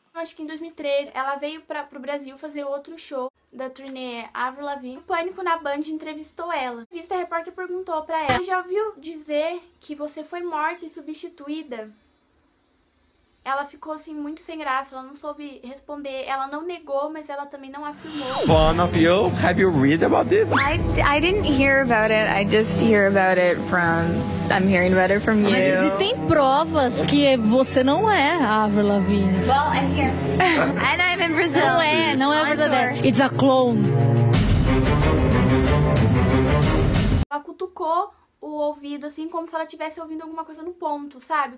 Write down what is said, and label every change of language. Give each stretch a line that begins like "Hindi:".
Portuguese: acho que em 2013, ela veio pro Brasil fazer outro show da turnê Avril Lavigne. O Pânico na Band entrevistou ela. A revista Repórter perguntou pra ela: "Você já ouviu dizer que você foi morta e substituída?" Ela ficou assim muito sem graça, ela não soube responder. Ela não negou, mas ela também não afirmou.
English: One of you, have you read about this? I didn't hear about it. I just hear about it from I'm hearing about it from you.
Portuguese: Mas existem provas que você não é Avril Lavigne.
English: Well, I'm here. And I'm in Brazil.
Portuguese: Não é verdadeira.
English: It's a clone.
Portuguese: Ela cutucou o ouvido, assim, como se ela estivesse ouvindo alguma coisa no ponto, sabe?